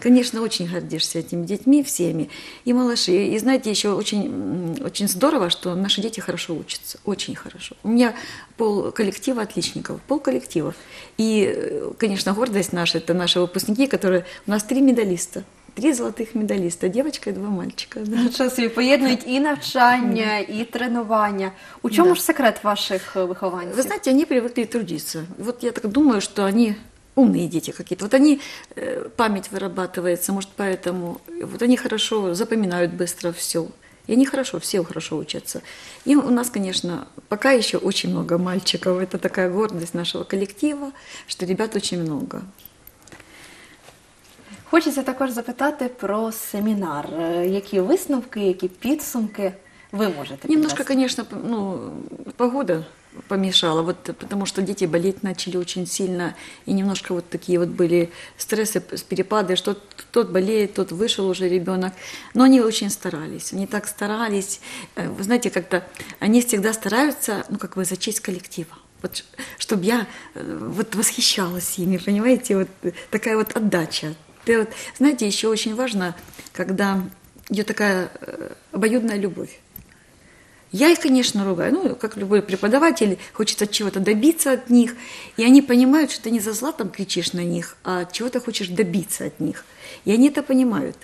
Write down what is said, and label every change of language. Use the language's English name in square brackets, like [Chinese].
[Russian] конечно, очень гордишься этими детьми, всеми, и малыши. И знаете, еще очень, очень здорово, что наши дети хорошо учатся, очень хорошо. У меня пол коллектива отличников, пол коллектива. И, конечно, гордость наша, это наши выпускники, которые, у нас 3 медалиста. [Ukrainian] 3 золотих медаліста, дівчинка і 2 мальчика. [Russian] Да. [Ukrainian] Час і поєднують і навчання, і тренування. У чому ж секрет ваших вихованців? Ви знаєте, вони привикли трудитися. От я так думаю, що вони умні діти якісь. От вони, пам'ять виробляється, може, поэтому. От вони хорошо запам'ятають швидко все. І вони хорошо, всі хорошо вчаться. І у нас, звісно, поки ще дуже багато мальчиків. Це така гордість нашого колективу, що хлопців дуже багато. Хочеться також запитати про семінар. Які висновки, які підсумки ви можете підвести? Немножко, звісно, ну, погода помішала, от, тому що діти боліти почали дуже сильно, і немножко от такі от були стреси, перепади, що тот боліє, тот вийшов уже ребенок. Но вони дуже старались, вони так старались. Ви знаєте, як-то вони завжди стараються, ну, як би, за честь колектива. Вот, щоб я от, восхищалась ними, розумієте? От, така от віддача. [Russian] Знаете, еще очень важно, когда идет такая обоюдная любовь. Я их, конечно, ругаю. Ну, как любой преподаватель, хочет от чего-то добиться от них. И они понимают, что ты не за златом кричишь на них, а чего-то хочешь добиться от них. И они это понимают.